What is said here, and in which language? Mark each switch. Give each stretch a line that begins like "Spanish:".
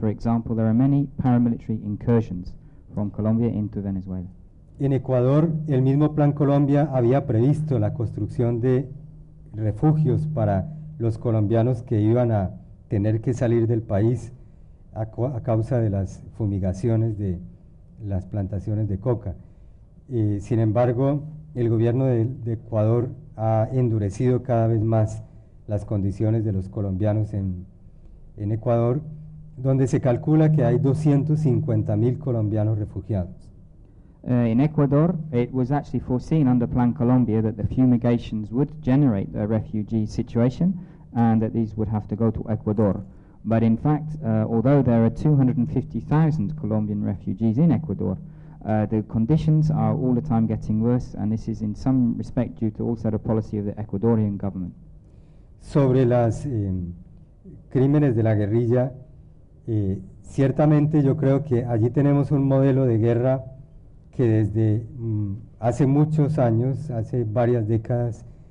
English: For example, there are many paramilitary incursions from Colombia into Venezuela.
Spanish: En Ecuador, el mismo Plan Colombia había previsto la construcción de refugios para los colombianos que iban a tener que salir del país a causa de las fumigaciones de las plantaciones de coca. Sin embargo, el gobierno de Ecuador ha endurecido cada vez más las condiciones de los colombianos en Ecuador, donde se calcula que hay 250,000 colombianos refugiados.
English: In Ecuador, it was actually foreseen under Plan Colombia that the fumigations would generate a refugee situation and that these would have to go to Ecuador. But in fact, although there are 250,000 Colombian refugees in Ecuador, the conditions are all the time getting worse, and this is in some respect due to also the policy of the Ecuadorian government.
Spanish: Sobre los crímenes de la guerrilla, ciertamente yo creo que allí tenemos un modelo de guerra que desde hace muchos años, hace varias décadas,